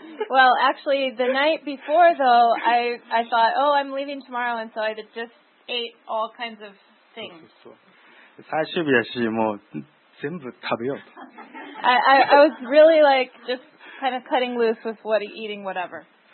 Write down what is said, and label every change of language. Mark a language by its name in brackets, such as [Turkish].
[English] Well, actually, the night before, though, I thought, oh, I'm leaving tomorrow, and so I just ate all kinds of things. [Japanese] そうそうそう。最終日だし、もう全部食べようと。 [English] I was really like just kind of cutting loose with what eating whatever.